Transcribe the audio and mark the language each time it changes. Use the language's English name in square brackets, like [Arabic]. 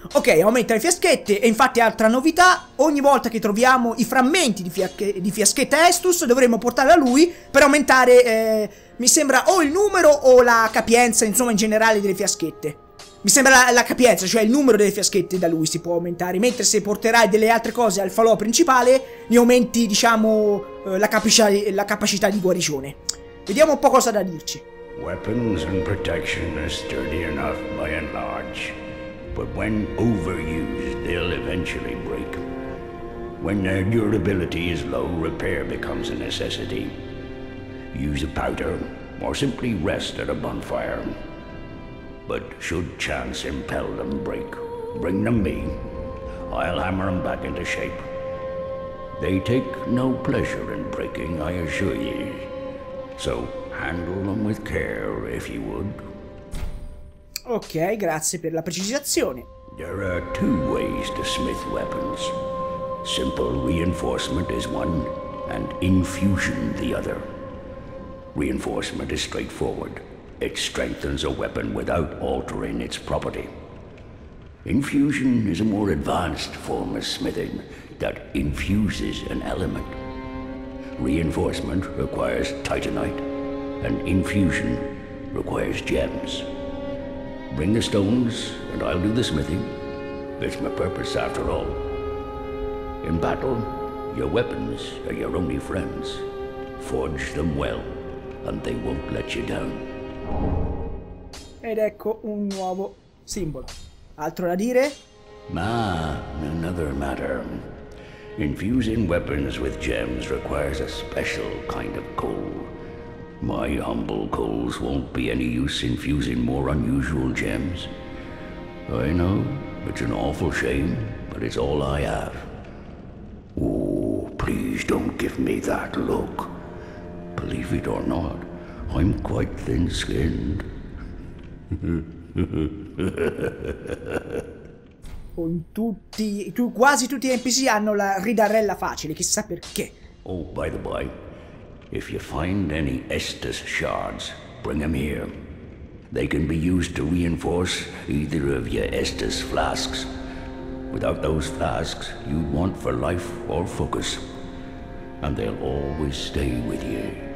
[Italian] Ok, aumenta le fiaschette e infatti altra novità, ogni volta che troviamo i frammenti di fiaschetta Estus dovremo portarla a lui per aumentare, mi sembra, o il numero o la capienza, insomma, in generale delle fiaschette. Mi sembra la capienza, cioè il numero delle fiaschette da lui si può aumentare, mentre se porterai delle altre cose al falò principale ne aumenti, diciamo, la capacità di guarigione. Vediamo un po' cosa da dirci. [English] Weapons and protection are sturdy enough by and large. But when overused, they'll eventually break. When their durability is low, repair becomes a necessity. Use a powder, or simply rest at a bonfire. But should chance impel them break, bring them me. I'll hammer them back into shape. They take no pleasure in breaking, I assure ye. So handle them with care, if you would. [Italian] Ok, grazie per la precisazione. [English] There are two ways to smith weapons. Simple reinforcement is one, and infusion the other. Reinforcement is straightforward. It strengthens a weapon without altering its property. Infusion is a more advanced form of smithing that infuses an element. Reinforcement requires titanite, and infusion requires gems. Bring the stones, and I'll do the smithing. It's my purpose, after all. In battle, your weapons are your only friends. Forge them well, and they won't let you down. [Italian] Ed ecco un nuovo simbolo. Altro da dire? [English] Ma, another matter. Infusing weapons with gems requires a special kind of coal. My humble coals won't be any use infusing more unusual gems. I know, it's an awful shame, but it's all I have. Oh, please don't give me that look. Believe it or not, I'm quite thin-skinned. [Italian] Con tutti, quasi tutti gli NPC hanno la ridarella facile, chissà perché. [English] Oh, by the by, if you find any Estus shards, bring them here. They can be used to reinforce either of your Estus flasks. Without those flasks, you'd want for life or focus. And they'll always stay with you.